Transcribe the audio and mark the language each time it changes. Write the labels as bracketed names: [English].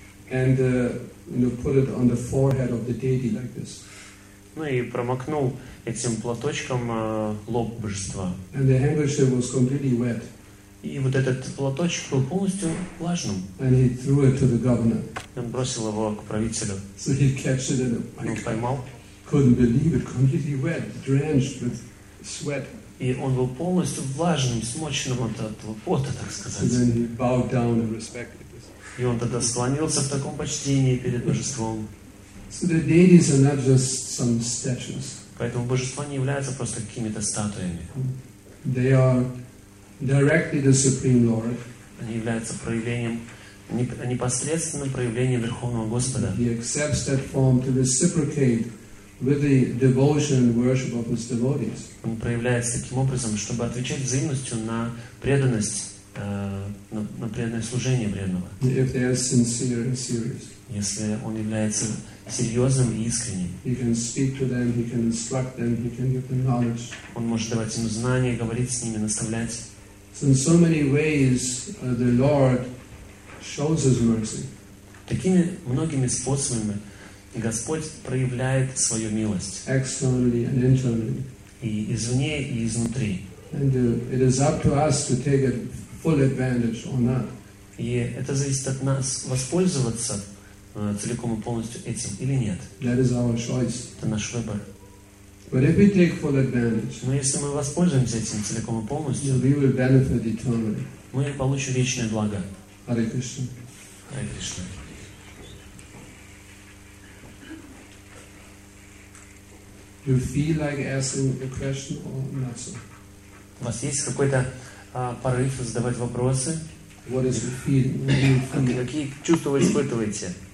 [English] And put it on the forehead of the deity like this. [Russian] Ну и промокнул этим платочком лоб божества. [English] And the handkerchief was completely wet. [Russian] И вот этот платочек был полностью влажным. [English] And he threw it to the governor. [Russian] И он бросил его к правителю. [English] So he captured it. [Russian] Он поймал. [English] Couldn't believe it. Completely wet, drenched with sweat. [Russian] И он был полностью влажным, смоченным от пота, так сказать. [English] And then he bowed down and respected this. [Russian] И он тогда склонился в таком почтении перед божеством. [English] So the deities are not just some statues. [Russian] Поэтому божества не являются просто какими-то статуями. [English] They are directly the Supreme Lord. [Russian] Они являются проявлением, непосредственным проявлением Верховного Господа. [English] He accepts that form to reciprocate with the devotion and worship of his devotees. [Russian] Он проявляется таким образом, чтобы отвечать взаимностью на преданность, на преданное служение преданного. [English] If they are sincere and serious. [Russian] Если он является серьезным и искренним. [English] He can speak to them, he can instruct them, he can give them knowledge. [Russian] Он может давать им знания, говорить с ними, наставлять. [English] In so many ways, the Lord shows His mercy. [Russian] Такими многими способами Господь проявляет свою милость. [English] Externally and internally. [Russian] И извне, и изнутри. [English] And it is up to us to take full advantage or not. [Russian] И это зависит от нас, воспользоваться целиком и полностью этим или нет. [English] That is our choice. [Russian] Это наш выбор. [English] But if we take full advantage, [Russian] но если мы воспользуемся этим целиком и полностью, [English] we will benefit eternally. [Russian] Мы получим вечное благо. [English] Hare Krishna. Hare Krishna. You feel like asking a question or not so? [Russian] У вас есть какой-то порыв задавать вопросы? [English] What is your feeling? [Russian] Какие чувства вы испытываете?